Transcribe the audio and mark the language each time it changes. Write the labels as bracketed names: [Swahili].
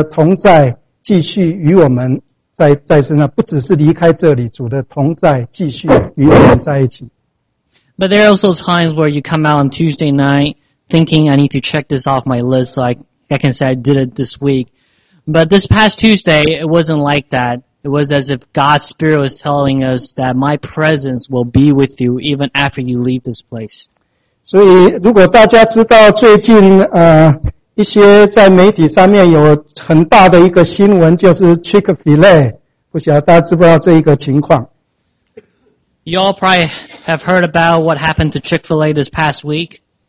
[Chinese] 很多时候我们祷告会完了以后，拍拍屁股，大家回去好像就完了，做完事了，那我们可以去回去做原来的事情。但那天有一个感动，就好像主一个祷告在里面说，愿主的同在继续与我们。 [English] But there are also times where you come out on Tuesday night thinking, I need to check this off my list so I can say I did it this week. But this past Tuesday, it wasn't like that. It was as if God's Spirit was telling us that my presence will be with you even after you leave this place. [Chinese] 所以如果大家知道最近一些在媒体上面有很大的一个新闻就是 Chick-fil-A, 不晓得大家知不知道这一个情况? [English] You all probably have heard about what happened to Chick-fil-A this past week.